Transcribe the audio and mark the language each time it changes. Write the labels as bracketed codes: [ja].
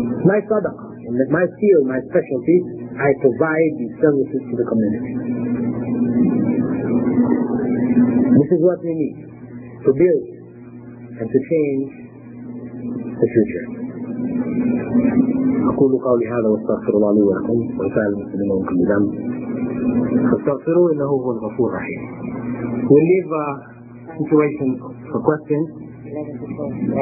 [en] My sadaqah, in my field, my specialty, I provide these services to the community. This is what we need to build and to change the future. [ar] أقول قولي هذا واستغفر الله لي ولكم وسائر المسلمين ومن ذنب فاستغفروه إنه هو الغفور الرحيم. [en] We'll leave a situation for questions.